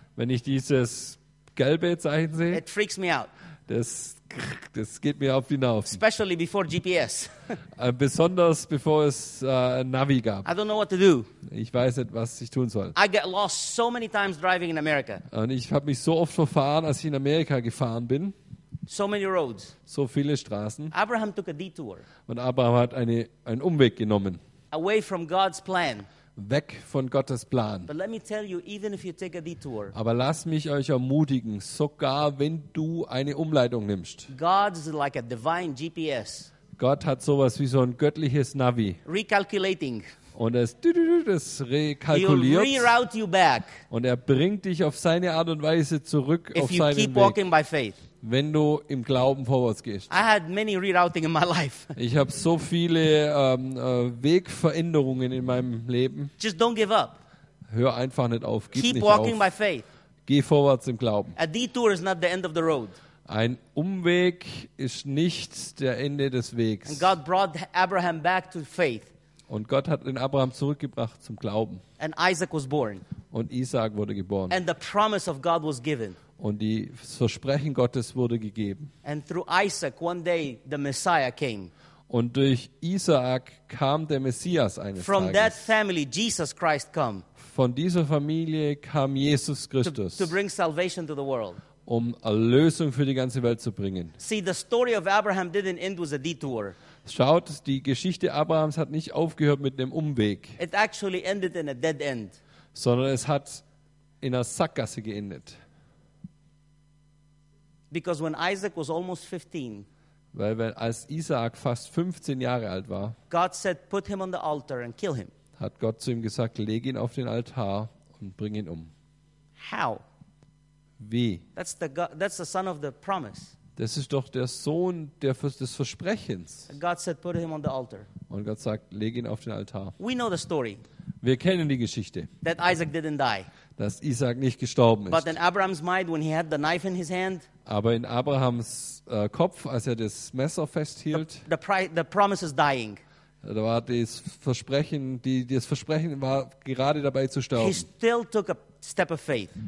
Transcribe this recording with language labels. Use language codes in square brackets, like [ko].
[de] wenn ich dieses gelbe Zeichen sehe, [en] it freaks me out. [de] Das geht mir auf die Nerven. [en] Especially before GPS. [de] Besonders bevor es Navi gab. [en] I don't know what to do. [de] Ich weiß nicht, was ich tun soll. [en] I get lost so many times driving in America. [de] Und ich habe mich so oft verfahren, als ich in Amerika gefahren bin. [en] So many roads. [de] So viele Straßen. [en] Abraham took a detour. [de] Und Abraham hat einen Umweg genommen. [en] Away from God's plan. [de] Weg von Gottes Plan. [en] But let me tell you, even if you take a detour, [de] aber lass mich euch ermutigen, sogar wenn du eine Umleitung nimmst. [en] God is like a divine GPS. [de] Gott hat sowas wie so ein göttliches Navi. [en] Recalculating. [de] Und es rekalkuliert. [en] He'll reroute you back. [de] Und bringt dich auf seine Art und Weise zurück [en] if [de] auf seinen [en] keep Walking by faith. [de] Wenn du im Glauben vorwärts gehst. [en] I had many rerouting in my life. [de] Ich habe so viele Wegveränderungen in meinem Leben. [en] Just don't give up. [de] Hör einfach nicht auf. Gib [en] keep [de] nicht [en] walking [de] auf. [en] By faith. [de] Geh vorwärts im Glauben. [en] A detour is not the end of the road. [de] Ein Umweg ist nicht der Ende des Wegs. [en] And God brought Abraham back to faith. [de] Und Gott hat den Abraham zurückgebracht zum Glauben. [en] And Isaac was born. [de] Und Isaac wurde geboren. [en] And the promise of God was given. [de] Und das Versprechen Gottes wurde gegeben. [en] And through Isaac, one day, the Messiah came. [de] Und durch Isaac kam der Messias eines [en] From [de] Tages. [en] That family, Jesus Christ come. [de] Von dieser Familie kam Jesus Christus. [en] To bring salvation to the world. [de] Um Erlösung für die ganze Welt zu bringen. [en] See, the story of Abraham didn't end with a detour. [de] Schaut, die Geschichte Abrahams hat nicht aufgehört mit einem Umweg. [en] It actually ended in a dead end. [de] Sondern es hat in einer Sackgasse geendet. [en] Because when Isaac was almost 15, [de] als Isaac fast 15 Jahre alt war, [en] God said, "Put him on the altar and kill him." [de] Hat Gott zu ihm gesagt, leg ihn auf den Altar und bring ihn um. [en] How? [de] Wie? [en] That's the son of the promise. [de] Das ist doch der Sohn des Versprechens. [en] God said, "Put him on the altar." [de] Und Gott sagt, leg ihn auf den Altar. [en] We know the story. [de] Wir kennen die Geschichte. [en] That Isaac didn't die. [de] Dass Isaac nicht gestorben ist. [en] But in Abraham's mind, when he had the knife in his hand. [de] Aber in Abrahams Kopf, als das Messer festhielt. [en] The promise is dying. [de] Da war das Versprechen war gerade dabei zu sterben. [en] He still took a step of faith.